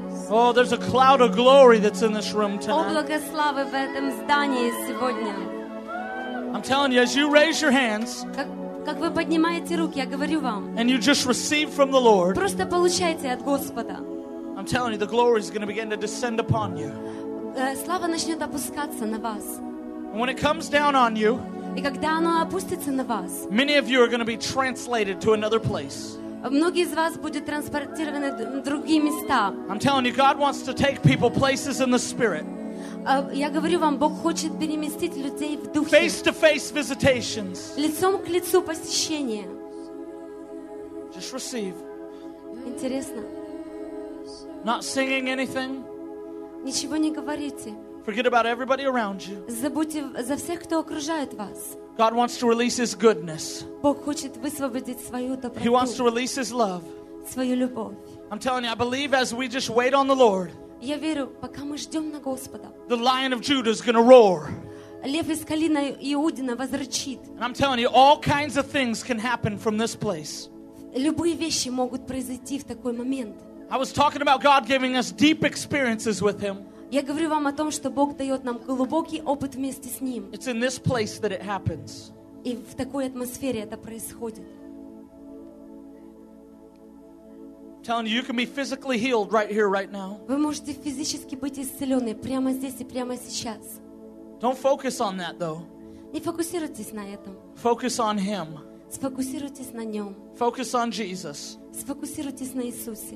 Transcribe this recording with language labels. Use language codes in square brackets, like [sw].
[en] Oh, there's a cloud of glory that's in this room tonight. [ru] Облако славы в этом здании сегодня. [en] I'm telling you, as you raise your hands, [ru] как вы поднимаете руки, я говорю вам. [en] And you just receive from the Lord. [ru] Просто получайте от Господа. [en] I'm telling you, the glory is going to begin to descend upon you. [ru] Слава начнет опускаться на вас. [en] And when it comes down on you. [ru] И когда оно опустится на вас. [en] Many of you are going to be translated to another place. [ru] Многие из вас будут транспортированы в другие места. [en] I'm telling you, God wants to take people places in the spirit. [ru] Я говорю вам, Бог хочет переместить людей в духе. [en] Face-to-face visitations. [ru] Лицом к лицу посещения. [en] Just receive. [ru] Интересно. [en] Not singing anything. [ru] Ничего не говорите. [en] Forget about everybody around you. [ru] Забудьте за всех, кто окружает вас. [en] God wants to release His goodness. [ru] Бог хочет высвободить свою доброту. [en] He wants to release His love. [ru] Свою любовь. [en] I'm telling you, I believe as we just wait on the Lord. [ru] Я верю, пока мы ждем на Господа. [en] The Lion of Judah is going to roar. [ru] Лев из колена Иудина возрычит. [en] And I'm telling you, all kinds of things can happen from this place. [ru] Любые вещи могут произойти в такой момент. [en] I was talking about God giving us deep experiences with Him. [ru] Я говорю вам о том, что Бог дает нам глубокий опыт вместе с Ним. [en] It's in this place that it happens. [ru] И в такой атмосфере это происходит. [en] Telling you, you can be physically healed right here, right now. [ru] Вы можете физически быть исцелены прямо здесь и прямо сейчас. [en] Don't focus on that, though. [ru] Не фокусируйтесь на этом. [en] Focus on Him. [ru] Сфокусируйтесь на Нем. [en] Focus on Jesus. [ru] Сфокусируйтесь на Иисусе.